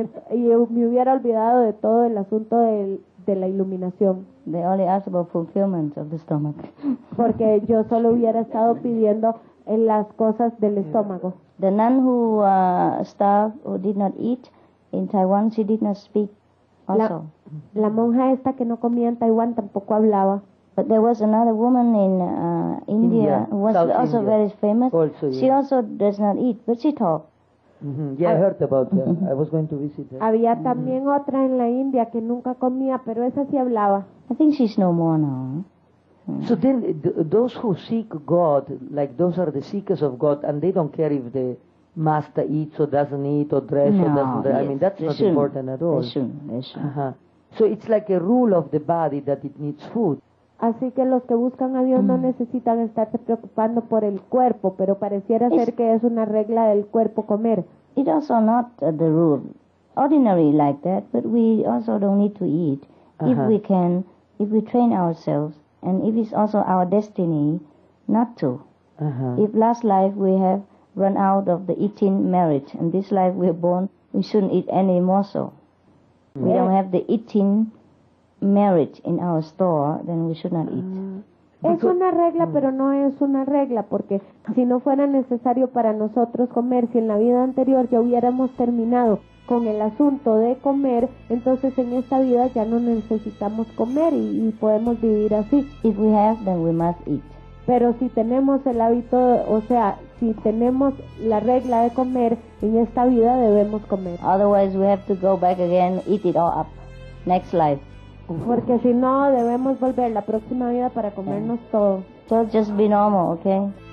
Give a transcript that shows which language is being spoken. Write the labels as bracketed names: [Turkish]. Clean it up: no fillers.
[Spanish] Y me hubiera olvidado de todo el asunto de la iluminación. [English] They only asked about fulfillment of the stomach. [Spanish] Porque yo solo hubiera estado pidiendo en las cosas del estómago. [English] The nun who starved who did not eat. In Taiwan, she did not speak also. [Spanish] La monja esta que no comía en Taiwán tampoco hablaba. [English] But there was another woman in India who was South also India. Very famous. Also, yeah. She also does not eat, but she talked. Mm-hmm. Yeah, I heard about her. I was going to visit her. [Spanish] Había también otra en la India que nunca comía, pero esa sí hablaba. [English] I think she's no more now. So then, those who seek God, like those are the seekers of God, and they don't care if the Master eats or doesn't eat or dress or doesn't dress. Yes. I mean, that's they not shouldn't. Important at all. They shouldn't. So it's like a rule of the body that it needs food. [Spanish] Así que los que buscan a Dios no necesitan estarse preocupando por el cuerpo, pero pareciera ser que es una regla del cuerpo comer. [English] It also not the rule. Ordinary like that, but we also don't need to eat. If we can, if we train ourselves, and if it's also our destiny not to. If last life we have run out of the eating merit. And this life we're born, we shouldn't eat any morsel. We don't have the eating merit in our store, then we should not eat. [Spanish] Es una regla, pero no es una regla, porque si no fuera necesario para nosotros comer, si en la vida anterior ya hubiéramos terminado con el asunto de comer, entonces en esta vida ya no necesitamos comer y podemos vivir así. [English] If we have, then we must eat. [Spanish] Pero si tenemos el hábito, o sea, si tenemos la regla de comer, en esta vida debemos comer. [English] Otherwise we have to go back again, eat it all up. Next life. [Spanish] Porque si no, debemos volver la próxima vida para comernos todo. [English] So just be normal, okay?